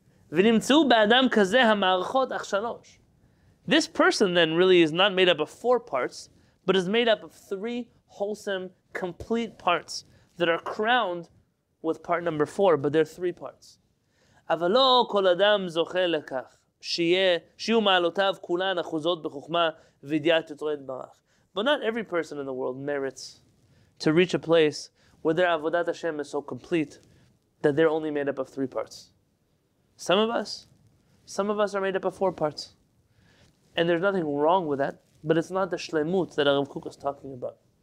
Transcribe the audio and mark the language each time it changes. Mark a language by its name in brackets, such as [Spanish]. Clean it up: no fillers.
[Hebrew] ונמצאו באדם כזה המערכות אך שלוש. [English] This person then really is not made up of 4 parts, but is made up of 3 wholesome, complete parts that are crowned with part number 4, but they're 3 parts. [Hebrew] אבל לא כל אדם זוכה לכך, שיהיו מעלותיו כולן אחוזות בחוכמה וידיעת יוצרו יתברך. [English] But not every person in the world merits to reach a place where their Avodat Hashem is so complete that they're only made up of 3 parts. Some of us are made up of 4 parts. And there's nothing wrong with that, but it's not the Shlemut that Arav Kook is talking about.